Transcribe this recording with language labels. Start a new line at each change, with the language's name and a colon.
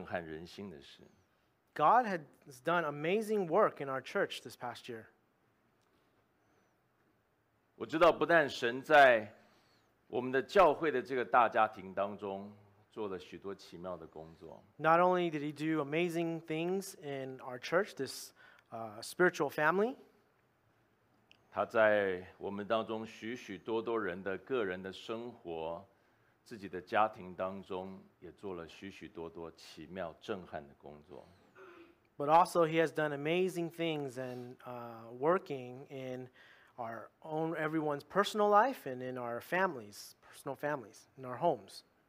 Chinese: 神在我们的教会当中过去年做了许许多多，我觉得是震撼人心的事。God
English: has done amazing work in our church this past year.
Chinese: 我知道不但神在我们的教会的这个大家庭当中 做了许多奇妙的工作。
English: Not only did he do amazing things in our church, this spiritual family,
Chinese: 他在我们当中许许多多人的个人的生活，自己的家庭当中也做了许许多多奇妙震撼的工作。
English: But also he has done amazing things and working in our own everyone's personal life and in our families, personal families, in our homes.